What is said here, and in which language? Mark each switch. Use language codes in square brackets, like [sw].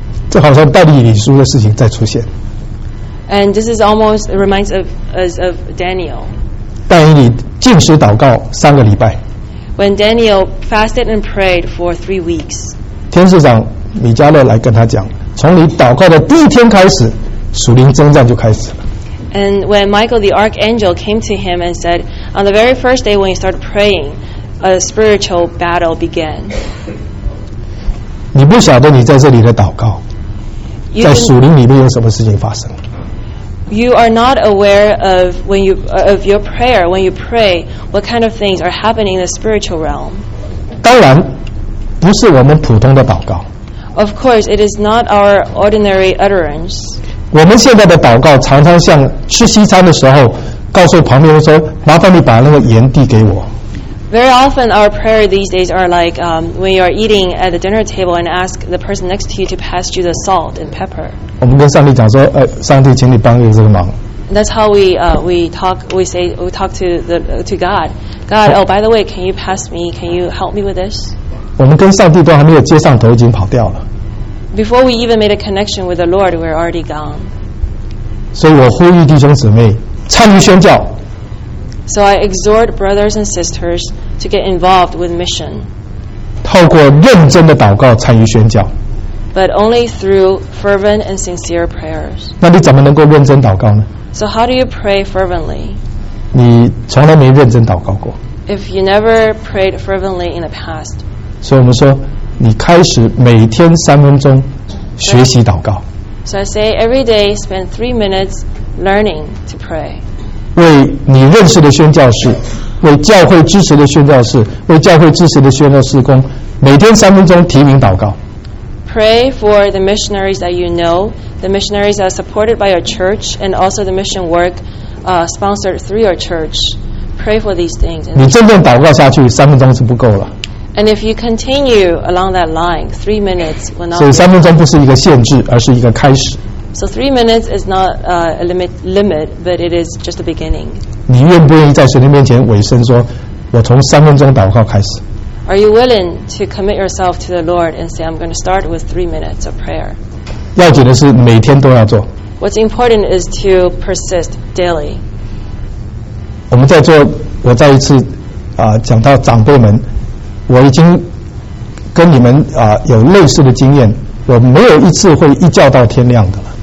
[zh] 这好像但以理书的事情再出现。 [en] And this is almost reminds of us of Daniel. [zh] 但以理禁食祷告三个礼拜。 [en] When Daniel fasted and prayed for 3 weeks. [zh] 天使长米迦勒来跟他讲，从你祷告的第一天开始，属灵征战就开始了。 [en] And when Michael the archangel came to him and said, on the very first day when you started praying, a spiritual battle began. [zh] 你不晓得你在这里的祷告。在属灵里面有什么事情发生 [en] You are not aware of when you of your prayer when you pray what kind of things are happening in the spiritual realm [zh] 当然不是我们普通的祷告 [en] Of course it is not our ordinary utterance [zh] 我们现在的祷告常常像吃西餐的时候告诉旁边人说麻烦你把那个盐递给我 [en] Very often our prayer these days are like when you are eating at the dinner table and ask the person next to you to pass you the salt and pepper. [zh] 我们跟上帝讲说，上帝，请你帮一个这个忙。 [en] That's how we talk to God. God, oh by the way, can you pass me? Can you help me with this? [zh] 我们跟上帝都还没有接上头，已经跑掉了。 [en] Before we even made a connection with the Lord, we're already gone. [zh] 所以我呼吁弟兄姊妹参与宣教。 [en] So I exhort brothers and sisters to get involved with mission. [zh] 透过认真的祷告参与宣教。 [en] But only through fervent and sincere prayers. [zh] 那你怎么能够认真祷告呢 [en] ？So how do you pray fervently? [zh] 你从来没认真祷告过。 [en] If you never prayed fervently in the past. [zh] 所以我们说，你开始每天三分钟学习祷告。 [en] So I say every day spend 3 minutes learning to pray. [zh] 为你认识的宣教士，为教会支持的宣教士，为教会支持的宣教士工，每天三分钟提名祷告。 [en] Pray for the missionaries that you know, the missionaries that are supported by your church, and also the mission work, sponsored through your church. Pray for these things. [zh] 你真正祷告下去，三分钟是不够了。 [en] And if you continue along that line, 3 minutes will not. [zh] 所以三分钟不是一个限制，而是一个开始。 [en] So 3 minutes is not a limit, but it is just the beginning. [zh] 你愿不愿意在神的面前委身说，我从三分钟祷告开始 [en] ？Are you willing to commit yourself to the Lord and say, "I'm going to start with 3 minutes of prayer"? [zh] 要紧的是每天都要做。 [en] What's important is to persist daily. [zh] 我们在做，我再一次讲到长辈们，我已经跟你们有类似的经验，我没有一次会一觉到天亮的。